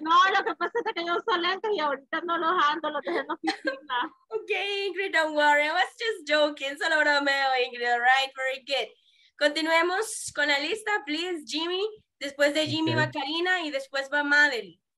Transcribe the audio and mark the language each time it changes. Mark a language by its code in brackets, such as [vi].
[es] No, lo que pasa es que yo uso lentes y ahorita no los ando, los dejé en la oficina. [en] Okay, Ingrid, don't worry. I was just joking. [es] Solo bromeo, Ingrid. [en] All right, very good. [es] Continuemos con la lista, please. Jimmy, después de Jimmy va Karina y después va Madeline.